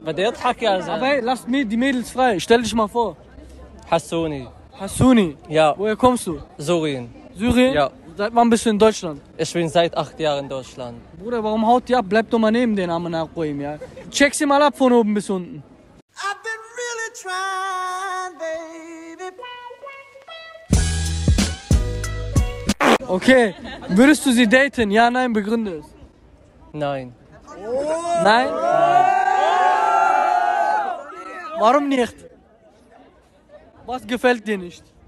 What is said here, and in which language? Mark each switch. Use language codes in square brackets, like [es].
[de] Bei der Tacke, also. Aber hey, lass die Mädels frei. Stell dich mal vor. Hassouni. Hassouni? Ja. Woher kommst du? Syrien. Syrien? Ja. Seit wann bist du in Deutschland? Ich bin seit 8 Jahren in Deutschland. Bruder, warum haut die ab? Bleib doch mal neben den Armen nach Ruim, ja? Check sie mal ab von oben bis unten. [en] I've been really trying, baby. [de] Okay, würdest du sie daten? Ja, nein, begründe es. Nein. Nein? Warum nicht? Was gefällt dir nicht?